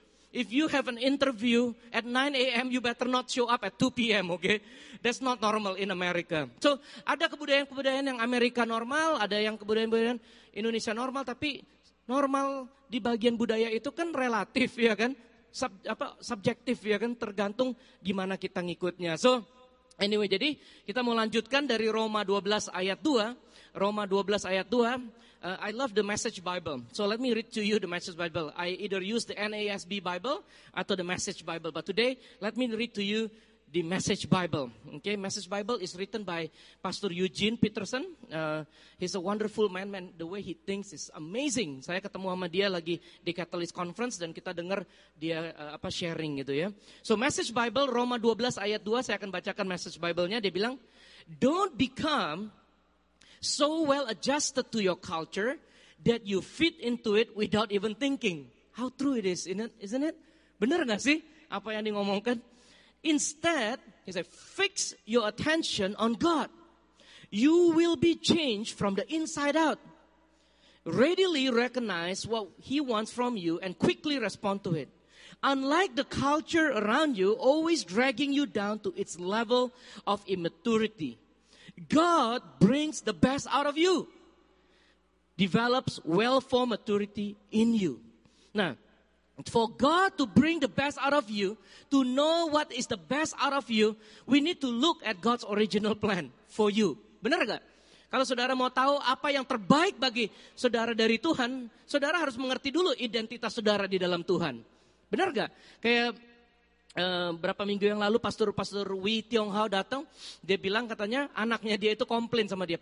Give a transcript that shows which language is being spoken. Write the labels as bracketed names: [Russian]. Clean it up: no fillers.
[English] If you have an interview at 9 a.m., you better not show up at 2 p.m., okay? That's not normal in America. [Indonesian] So, ada kebudayaan-kebudayaan yang Amerika normal, ada yang kebudayaan-kebudayaan Indonesia normal, tapi normal di bagian budaya itu kan relatif, ya kan? Subjektif, ya kan? Tergantung gimana kita ngikutnya. [English] So, anyway, [Indonesian] jadi kita mau lanjutkan dari Roma 12 ayat 2. Roma 12 ayat 2. [English] I love the Message Bible. So let me read to you the Message Bible. I either use the NASB Bible atau the Message Bible. But today, let me read to you the Message Bible. Okay, Message Bible is written by Pastor Eugene Peterson. He's a wonderful man. Man, the way he thinks is amazing. [Indonesian] Saya ketemu sama dia lagi di Catalyst Conference dan kita dengar dia sharing gitu ya. So Message Bible Roma 12 ayat 2, saya akan bacakan Message Bible-nya. Dia bilang, [English] don't become so well adjusted to your culture that you fit into it without even thinking. How true it is, isn't it? [Indonesian] Benar gak sih apa yang diomongkan? [English] Instead, he said, fix your attention on God. You will be changed from the inside out. Readily recognize what he wants from you and quickly respond to it. Unlike the culture around you, always dragging you down to its level of immaturity, God brings the best out of you, develops well-formed maturity in you. Now, for God to bring the best out of you, to know what is the best out of you, we need to look at God's original plan for you. [Indonesian] Benar gak? Kalau saudara mau tahu apa yang terbaik bagi saudara dari Tuhan, saudara harus mengerti dulu identitas saudara di dalam Tuhan. Benar gak? Kayak berapa minggu yang lalu pastor-pastor Wi Tiong Hao datang, dia bilang katanya anaknya dia itu komplain sama dia.